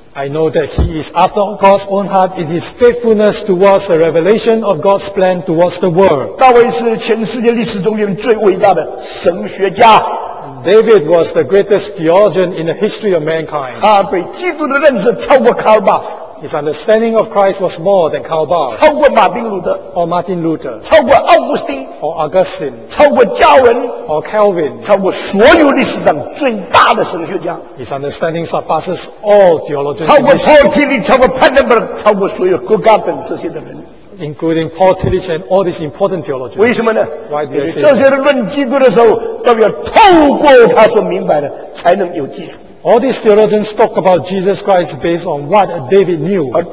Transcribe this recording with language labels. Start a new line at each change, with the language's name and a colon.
English: I know that he is after God's own heart. It is faithfulness towards the revelation of God's plan towards the world.
Chinese: 大卫是全世界历史中间最伟大的神学家。
English: David was the greatest theologian in the history of mankind.
Chinese: 他被基督的认识超过卡尔巴夫。
English: His understanding of Christ was more than Karl Barth,
Chinese: 超过马丁路德,
English: or Martin Luther,
Chinese: 超过奥古斯丁,
English: or Augustine,
Chinese: 超过加文,
English: or Calvin,
Chinese: 超过所有历史上最大的神学家,
English: His understanding surpasses all theologians,
Chinese: 超过Paul Tillich, 超过Pandenberg, 超过所有Gugarten这些的人,
English: including Paul Tillich and all these important theologians.
Chinese: 为什么呢?
English: Why do you say
Chinese: 这些人论基督的时候, 都要透过他所明白的, 才能有基础。
English: All these theologians talk about Jesus Christ based on what David knew.